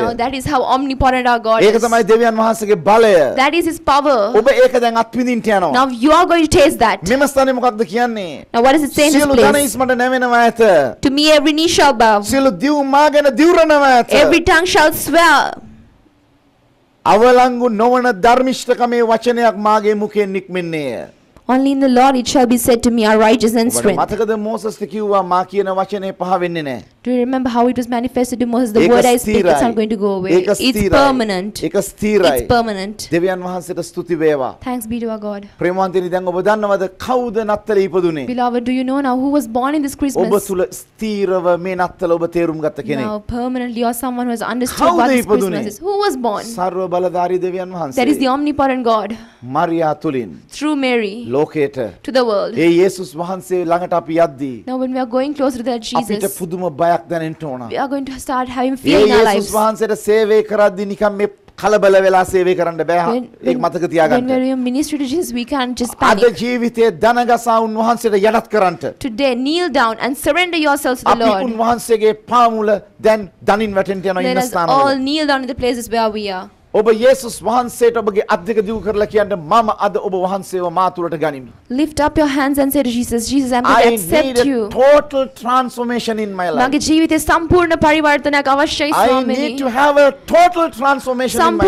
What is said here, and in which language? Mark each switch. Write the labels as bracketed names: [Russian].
[English] Now that is how omnipotent our God is. [Sinhala] Eka thamai deviyan wahanse ge [English] That is his power. [Sinhala] ඔබ ඒක දැන් අත්විඳින්න යනවා. [English] Now you are going to taste that. [Sinhala] මෙම ස්ථානේ මොකක්ද කියන්නේ? [English] Now what is it saying? [Sinhala] සියලු දනයිස් මට නැවෙනවා ඇත. [English] To me every knee shall bow. [Sinhala] සියලු දිව මාගෙන දිවුරනවා ඇත. [English] Every tongue shall swear. [Sinhala] අවලංගු නොවන ධර්මිෂ්ඨකමේ වචනයක් මාගේ මුඛයෙන් නික්මෙන්නේය. [English] Only in the Lord it shall be said to me our righteous and strength. [Sinhala] මතකද මෝසස් කිව්වා මා කියන වචනේ පහ වෙන්නේ නැහැ. [English] Do you remember how it was manifested to Moses the word I speak it's not going to go away. It's permanent. It's permanent. [Sinhala] දෙවියන් වහන්සේට స్తుති වේවා. [English] Thanks be to our God. [Sinhala] ප්‍රේමවන්තනි දැන් ඔබ දන්නවද කවුද නත්තල ඉපදුනේ? [English] Beloved do you know now who was born in this Christmas? [Sinhala] ඔබ තුල ස්ථීරව මේ නත්තල ඔබ තේරුම් ගත්ත කෙනෙක්. [English] Now permanently or someone who has understood what this Christmas is. Who was born? [Sinhala] සර්ව බලධාරී දෙවියන් වහන්සේ. [English] That is the omnipotent God. [Sinhala] මරියා තුලින්. [English] Through Mary. [Sinhala] ලෝකයට. [English] To the world. [Sinhala] ඒ යේසුස් වහන්සේ ළඟට අපි යද්දී. [English] Now when we are going closer to that Jesus. [Sinhala] අපිට පුදුම යක් දැනෙන්න ඕන. [English] We are going to start having fear in our lives. [Sinhala] යේසුස් වහන්සේට සේවය කරද්දි නිකන් මේ කලබල වෙලා සේවය කරන්න බෑ. ඒක මතක තියාගන්න. [English] When we are ministering to Jesus we can't just panic. [Sinhala] අද ජීවිතයේ දනගසා උන්වහන්සේට යටත් කරන්න. [English] Today kneel down and surrender yourselves to the Lord. [Sinhala] අපි උන්වහන්සේගේ පාමුල දැන් දනින් වැටෙන්න යන ඉන්න ස්ථානවල. [English] All kneel down in the places where we are. [Sinhala] ඔබ යේසුස් වහන්සේට ඔබගේ අත් දෙක දිගු කරලා කියන්න මම අද ඔබ වහන්සේව මාතුලට ගනිමි. [English] Lift up your hands and say to Jesus, Jesus, I'm going to accept you. I need a total transformation in my life. [Sinhala] මගේ ජීවිතේ සම්පූර්ණ පරිවර්තනයක් අවශ්‍යයි ස්වාමීනි. [English] I need to have a total transformation in my life.